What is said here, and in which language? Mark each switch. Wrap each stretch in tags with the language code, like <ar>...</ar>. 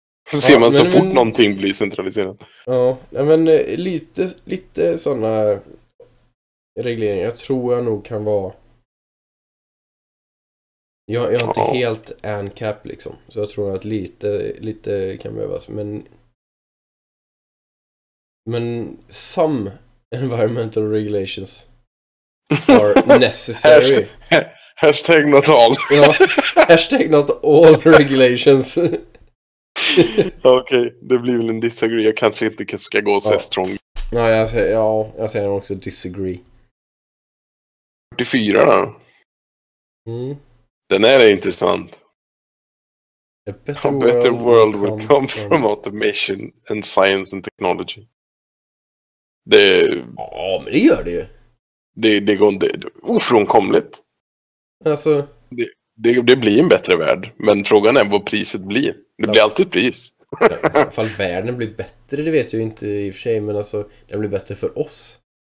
<sv>Så ser man så fort någonting blir centraliserat. Ja, men lite sådana regleringar tror jag nog kan vara... Jag är inte helt ANCAP liksom. Så jag tror att lite kan behövas. Men</sv> <en>some environmental regulations... are necessary. Hashtag not all. Ja, hashtag not all regulations.</en> <sv>Okej, okay, det blir väl en disagree. Jag kanske inte ska gå så strong. Nej, jag säger också disagree. 44 då. Mm. Den är det intressant.</sv> <en>A better world will come from automation and science and technology.</en> <sv>Det men det gör det ju. Det går inte, ofrånkomligt. Alltså... Det blir en bättre värld. Men frågan är vad priset blir. Det blir alltid ett pris. I fall världen blir bättre, det vet jag inte i och för sig. Men alltså, den blir bättre för oss.</sv>